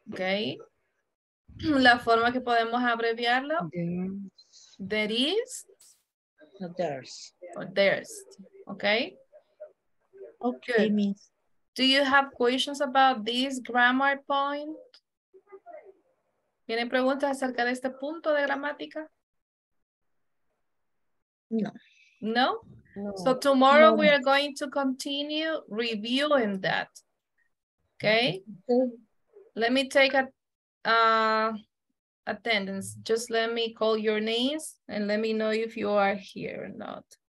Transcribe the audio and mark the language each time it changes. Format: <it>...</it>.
<es>Okay. La forma que podemos abreviarlo.</es> <en>There is. No, there's. Or there's. Okay. Okay. Means. Do you have questions about this grammar point?</en> <es>¿Tienen preguntas acerca de este punto de gramática? No. No? No.</es> <en>So tomorrow no. We are going to continue reviewing that. Okay. Let me take attendance. Just let me call your names and let me know if you are here or not.</en>